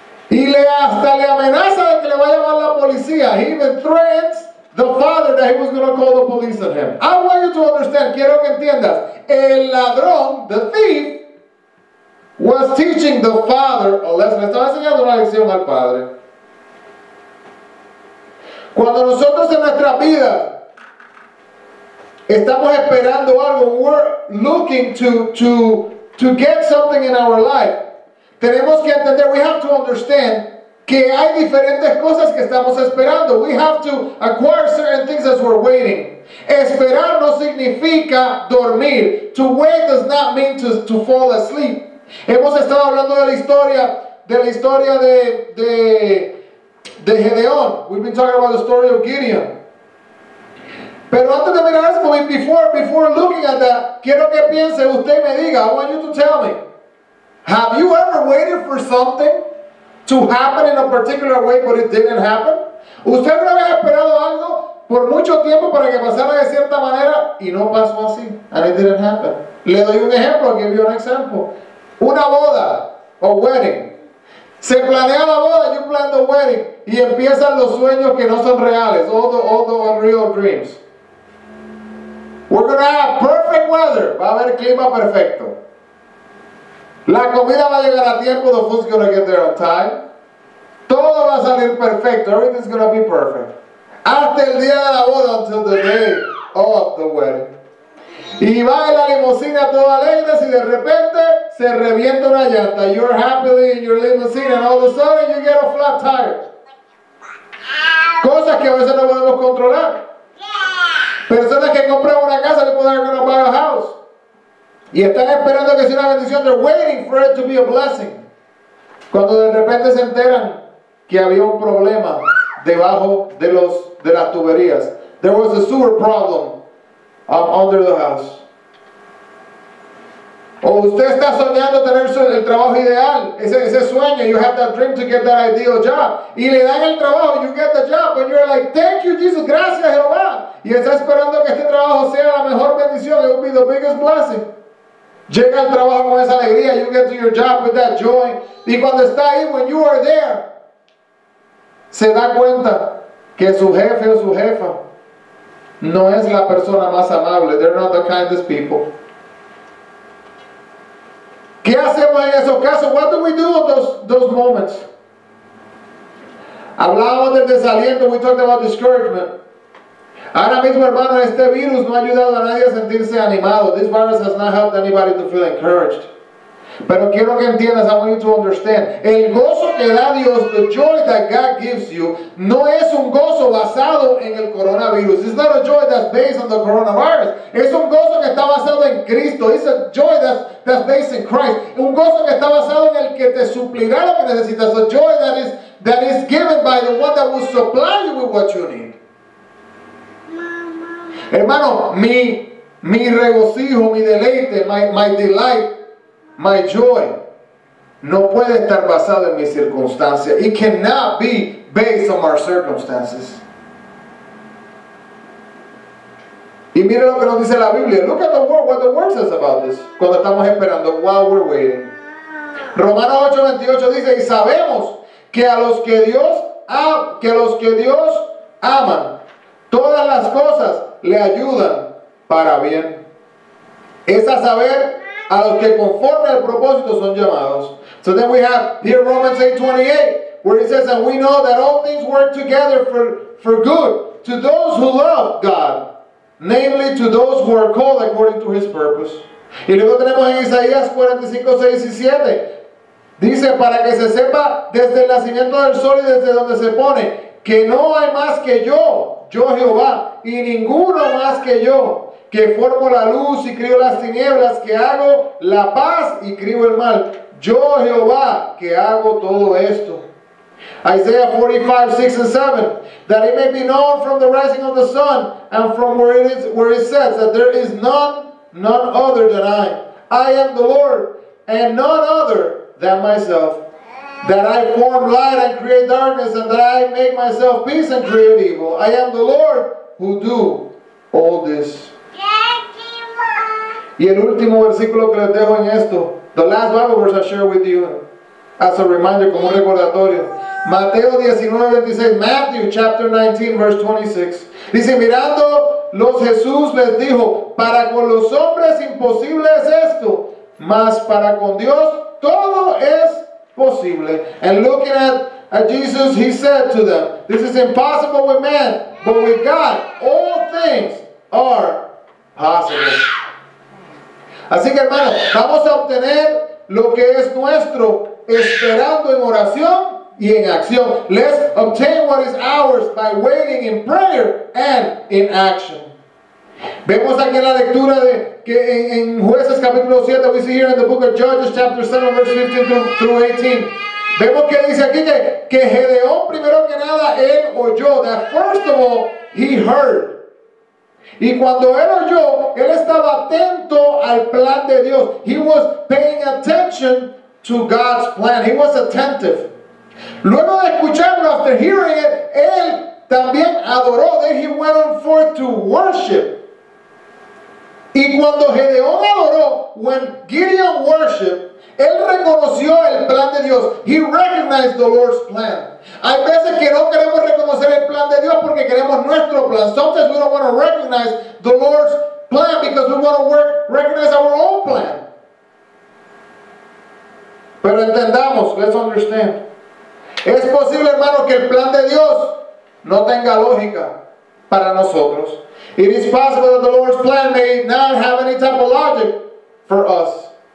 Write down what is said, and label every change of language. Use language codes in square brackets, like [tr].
[es] Y hasta le amenaza de que le va a llamar la policía. [en] He even threatens the father that he was going to call the police on him. I want you to understand, [es] quiero que entiendas. El ladrón, [en] the thief, was teaching the father a lesson. [es] Estaba enseñando una lección al padre. Cuando nosotros en nuestra vida estamos esperando algo, [en] we're looking to get something in our life, [es] tenemos que entender, [en] we have to understand [es] que hay diferentes cosas que estamos esperando. [en] We have to acquire certain things as we're waiting. [es] Esperar no significa dormir. [en] To wait does not mean to fall asleep. [es] Hemos estado hablando de la historia de Gedeón. [en] We've been talking about the story of Gideon. [es] Pero antes de mirar eso, [en] carefully before looking at that, [es] quiero que piense, usted me diga, [en] I want you to tell me, have you ever waited for something to happen in a particular way, but it didn't happen? [es] ¿Usted alguna vez ha esperado algo por mucho tiempo para que pasara de cierta manera y no pasó así? [en] And it didn't happen. [es] Le doy un ejemplo, [en] I'll give you an example. [es] Una boda, [en] a wedding. [es] Se planea la boda, [en] you plan the wedding, [es] y empiezan los sueños que no son reales, [en] all the unreal dreams. We're going to have perfect weather. [es] Va a haber clima perfecto. La comida va a llegar a tiempo, [en] the food's going to get there on time. [es] Todo va a salir perfecto, [en] everything's going to be perfect. [es] Hasta el día de la boda, [en] until the day of the wedding. [es] Y va en la limusina todo alegre, y de repente se revienta una llanta. [en] You're happily in your limousine, and all of a sudden you get a flat tire. [es] Cosas que a veces no podemos controlar. Personas que compran una casa, que pueden no pagar [en] a house. [es] Y están esperando que sea una bendición. [en] They're waiting for it to be a blessing. [es] Cuando de repente se enteran que había un problema debajo de las tuberías. [en] There was a sewer problem under the house. [es] O usted está soñando tener el trabajo ideal. Ese sueño. [en] You have that dream to get that ideal job. [es] Y le dan el trabajo. [en] You get the job. And you're like, thank you, Jesus. [es] Gracias, Jehová. Y está esperando que este trabajo sea la mejor bendición. [en] It will be the biggest blessing. [es] Llega al trabajo con esa alegría. [en] You get to your job with that joy. [es] Y cuando está ahí, [en] when you are there, [es] se da cuenta que su jefe o su jefa no es la persona más amable. [en] They're not the kindest people. [es] ¿Qué hacemos en esos casos? [en] What do we do in those moments? [es] Hablábamos del desaliento. [en] We talked about discouragement. [es] Ahora mismo, hermano, este virus no ha ayudado a nadie a sentirse animado. [en] This virus has not helped anybody to feel encouraged. [es] Pero quiero que entiendas, [en] I want you to understand. [es] El gozo que da Dios, [en] the joy that God gives you, [es] no es un gozo basado en el coronavirus. [en] It's not a joy that's based on the coronavirus. [es] Es un gozo que está basado en Cristo. [en] It's a joy that's based in Christ. [es] Un gozo que está basado en el que te suplirá lo que necesitas. [en] A joy that is given by the one that will supply you with what you need. [es] Hermano, mi regocijo, mi deleite, [en] my delight, my joy, [es] no puede estar basado en mis circunstancias. [en] It cannot be based on our circumstances. [es] Y mire lo que nos dice la Biblia. [en] Look at the word, what the word says about this. [es] Cuando estamos esperando, [en] while we're waiting. [es] Romanos 8:28 dice, y sabemos que a los que Dios ama, todas las cosas le ayudan para bien. Es a saber, a los que conforme al propósito son llamados. [en] So then we have here Romans 8:28, where it says, and we know that all things work together for good to those who love God, namely to those who are called according to his purpose. [es] Y luego tenemos en Isaías 45:6-7, dice, para que se sepa desde el nacimiento del sol y desde donde se pone, que no hay más que yo Jehová, y ninguno más que yo, que formo la luz y crío las tinieblas, que hago la paz y crío el mal. Yo Jehová, que hago todo esto. [en] Isaiah 45:6-7, that it may be known from the rising of the sun and from where it sets, that there is none other than I. I am the Lord, and none other than myself. That I form light and create darkness, and that I make myself peace and create evil. I am the Lord who do all this. [es] Y el último versículo que les dejo en esto, [en] the last Bible verse I share with you as a reminder, [es] como un recordatorio. [en] Mateo 19:26, Matthew chapter 19, verse 26. [es] Dice, mirando los Jesús les dijo, para con los hombres imposible es esto, mas para con Dios todo es posible. [en] And looking at Jesus, he said to them, this is impossible with man, but with God, all things are possible. [es] Así que, hermano, vamos a obtener lo que es nuestro esperando en oración y en acción. [en] Let's obtain what is ours by waiting in prayer and in action. [es] Vemos aquí en la lectura de que en Jueces capítulo 7, [en] we see here in the book of Judges chapter 7 verse 15 through 18. [es] Vemos que dice aquí que Gedeón primero que nada él oyó, [en] that first of all he heard. [es] Y cuando él oyó, él estaba atento al plan de Dios. [en] He was paying attention to God's plan. He was attentive. [es] Luego de escucharlo, [en] after hearing it, [es] él también adoró. [en] Then he went on forth to worship. [es] Y cuando Gedeón adoró, [en] when Gideon worshiped, [es] él reconoció el plan de Dios. [en] He recognized the Lord's plan. [es] Hay veces que no queremos reconocer el plan de Dios porque queremos nuestro plan. [en] Sometimes we don't want to recognize the Lord's plan because we want to recognize our own plan. [es] Pero entendamos, [en] let's understand. [es] Es posible, hermano, que el plan de Dios no tenga lógica para nosotros. [en] It is possible that the Lord's plan may not have any type of logic for us.